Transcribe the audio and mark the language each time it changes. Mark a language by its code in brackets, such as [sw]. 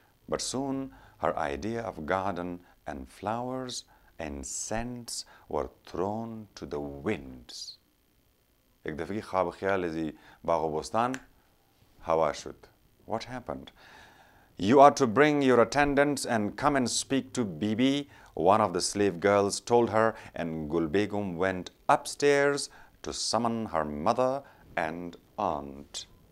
[en] But soon her idea of garden and flowers and scents were thrown to the winds. [fa] یک دفعه خواب خیال زی باغ و بستان هوا شد. [en] What happened? You are to bring your attendants and come and speak to Bibi, one of the slave girls told her, and Gulbegum went upstairs to summon her mother and aunt.